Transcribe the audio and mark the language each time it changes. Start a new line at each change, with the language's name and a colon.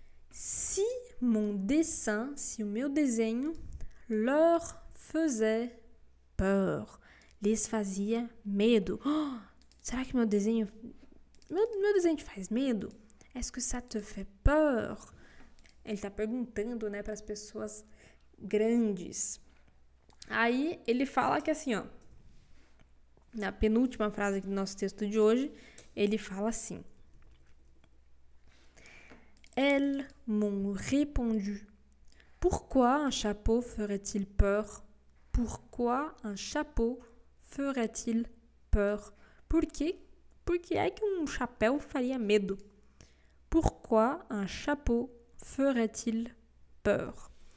French: Si mon dessin,
Portuguese: se o meu desenho,
French: leur faisait peur.
Portuguese: Lhes fazia medo. Oh, será que meu desenho te faz medo?
French: Est-ce que ça te fait peur?
Portuguese: Ele está perguntando, né, para as pessoas grandes. Aí ele fala que assim, ó, na penúltima frase aqui do nosso texto de hoje, ele fala assim.
French: Elles m'ont répondu. Pourquoi un chapeau ferait-il peur?
Portuguese: Por que é que um chapéu faria medo?
French: Pourquoi un chapeau ferait-il peur?